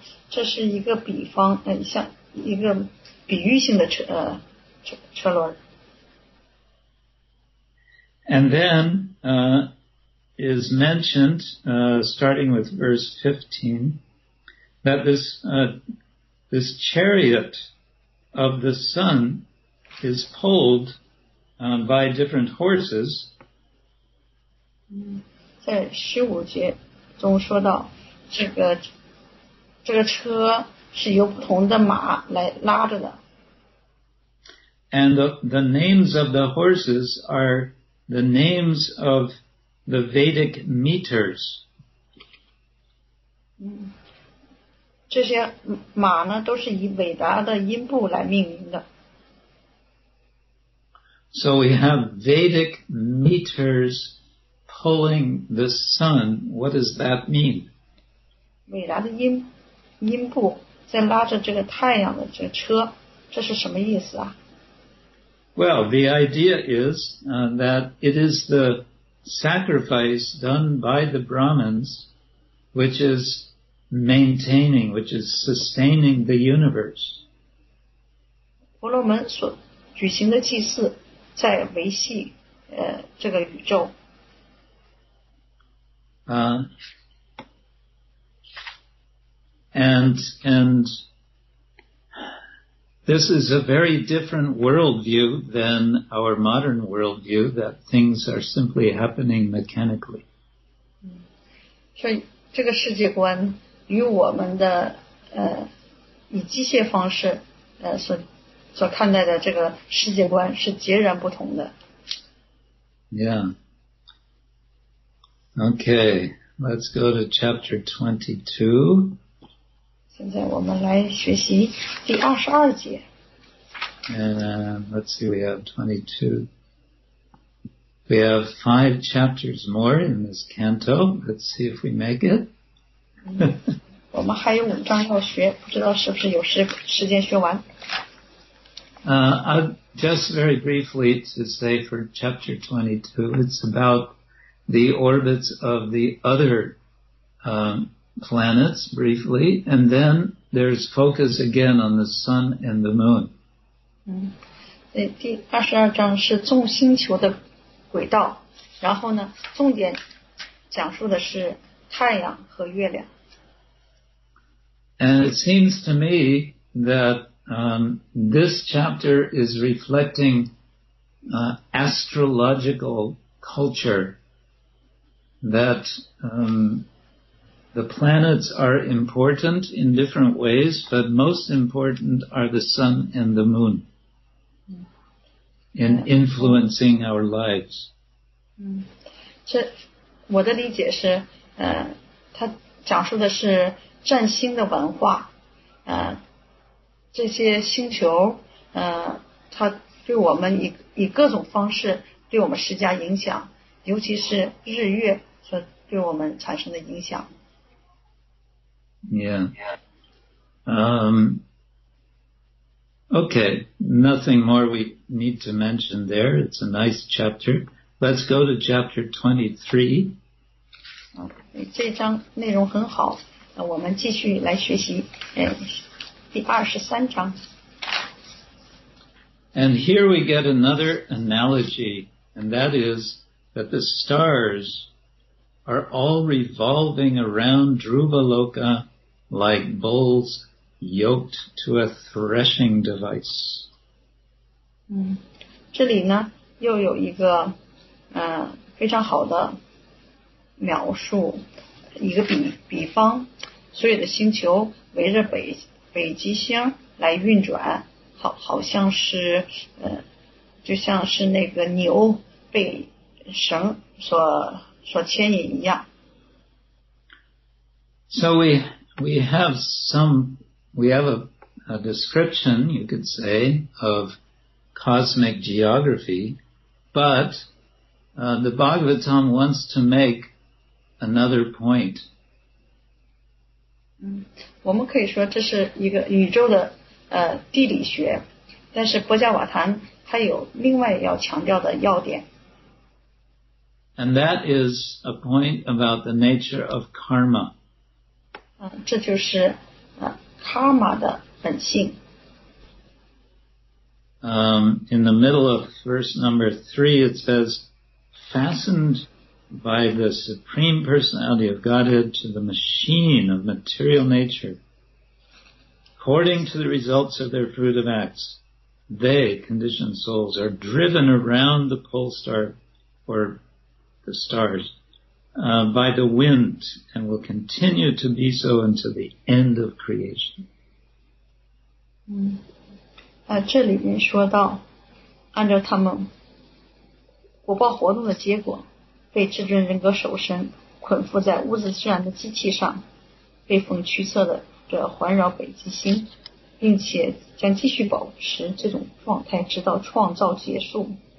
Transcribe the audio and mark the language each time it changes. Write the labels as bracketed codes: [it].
[zh] 这是一个比方，像一个比喻性的车轮。 [en] And then is mentioned, starting with verse 15, that this chariot of the sun is pulled by different horses. [zh] 在十五节中说到，这个车是由不同的马来拉着的。 [en] And the names of the horses are the names of the Vedic meters. [zh] 这些马呢都是以伟达的音部来命名的。 [en] So we have Vedic meters pulling the sun. What does that mean? [zh] 伟达的音部在拉着这个太阳的这个车，这是什么意思啊？ [en] Well, the idea is that it is the sacrifice done by the Brahmins which is maintaining, which is sustaining the universe. [zh] 婆罗门所举行的祭祀在维系这个宇宙。 [en] And this is a very different worldview than our modern worldview that things are simply happening mechanically. [zh] 所以这个世界观与我们的以机械方式所看待的这个世界观是截然不同的。 Yeah. [en] Okay, let's go to chapter 22. [zh] 现在我们来学习第二十二节。 [en] And let's see, we have 22. We have five chapters more in this canto. Let's see if we make it. [zh] 我们还有五章要学，不知道是不是有时间学完。 [en] Just very briefly to say for chapter 22, it's about the orbits of the other planets briefly, and then there's focus again on the sun and the moon. [zh] 第二十二章是众星球的轨道，然后呢，重点讲述的是太阳和月亮。 [en] And it seems to me that this chapter is reflecting astrological culture that the planets are important in different ways, but most important are the sun and the moon in influencing our lives. [zh] 这我的理解是，它讲述的是占星的文化，这些星球，它对我们以各种方式对我们施加影响，尤其是日月所对我们产生的影响。 Yeah. [en] Okay, nothing more we need to mention there. It's a nice chapter. Let's go to chapter 23. [zh] Okay, 这章内容很好，那我们继续来学习，第23章。 [en] And here we get another analogy, and that is that the stars are all revolving around Dhruva Loka like bulls yoked to a threshing device. [zh] 这里呢又有一个非常好的描述，一个比方，所有的星球围着北极星来运转，好像是就像是那个牛被绳所牵引一样。 [en] So we have a description, you could say, of cosmic geography, but the Bhagavatam wants to make another point. [zh] 我们可以说这是一个宇宙的地理学，但是波迦瓦檀它有另外要强调的要点。 [en] And that is a point about the nature of karma. [zh] 这就是karma 的本性。 [en] In the middle of verse number 3, it says, fastened by the supreme personality of Godhead to the machine of material nature, according to the results of their fruit of acts, they, conditioned souls, are driven around the pole star, or the stars, by the wind, and will continue to be so until the end of creation. [zh] 这里面说到，按照他们果报活动的结果，被至尊人格守身，捆缚在物质自然的机器上，被风驱策的这环绕北极星，并且将继续保持这种状态，直到创造结束。